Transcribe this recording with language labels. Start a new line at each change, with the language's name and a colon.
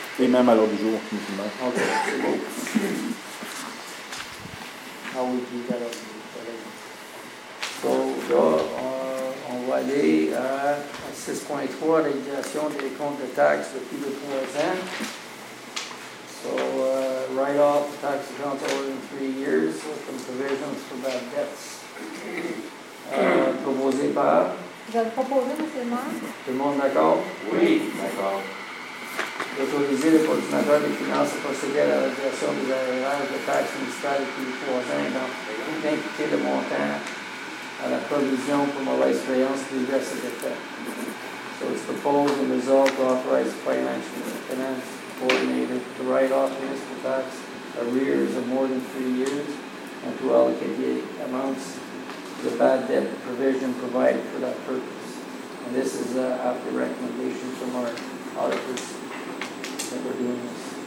French: Et même à l'autre jour, finalement. OK, c'est beau. Ah oui, tout à l'heure. On va aller à 6.3, réalisation des comptes de taxes depuis le 3 ans.
English: So, write off the tax account over in 3 years with some provisions for bad debts.
French: Proposé par. Vous avez proposé, monsieur le maire? Tout le monde d'accord? Oui, d'accord. Autoriser le coordinateur des finances à procéder à la réalisation des arrières de taxes municipales depuis le 3 ans, donc, d'imputer le montant à la provision pour mauvaise créance du reste de fait.
English: So, it's proposed and resolved to authorize financial coordinator to write off municipal tax arrears of more than 3 years and to allocate the amounts to the bad debt provision provided for that purpose. And this is after recommendation from our auditors that we're doing this.